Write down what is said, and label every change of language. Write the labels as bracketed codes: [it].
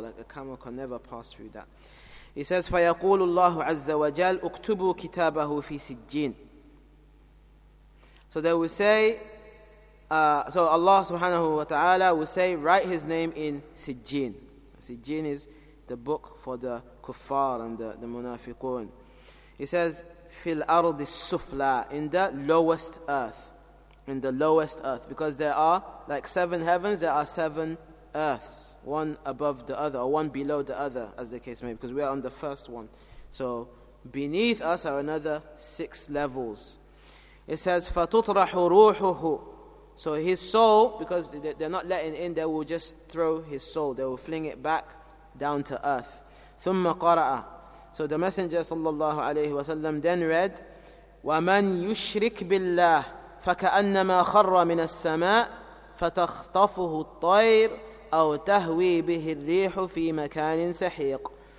[en] Like a camel can never pass through that. He says, [ar] فَيَقُولُ اللَّهُ عَزَّ وَجَلُ اُكْتُبُوا كِتَابَهُ فِي سِجِّينَ. [en] So they will say, so Allah subhanahu wa ta'ala will say, write his name in Sijjin. Sijjin is the book for the kuffar and the munafiqun. He says, [ar] فِي الْأَرْضِ السُّفْلَى. [en] In the lowest earth. In the lowest earth. Because there are like seven heavens, there are seven earths, one above the other, or one below the other, as the case may be, because we are on the first one. So beneath us are another six levels. It says, [ar] فَتُطْرَحُ رُوحُهُ. [en] So his soul, because they're not letting in, they will just throw his soul. They will fling it back down to earth. [ar] ثُمَّ قَرَأَ. [en] So the Messenger sallallahu alayhi wa sallam then read, [ar] وَمَنْ يُشْرِكْ بِاللَّهِ فَكَأَنَّمَا خَرَّ مِنَ السَّمَاءِ فَتَخْطَفُهُ الطَّيْرُ أَوْ تَهْوِي بِهِ الرِّيحُ فِي مَكَانٍ سَحِيقٍ.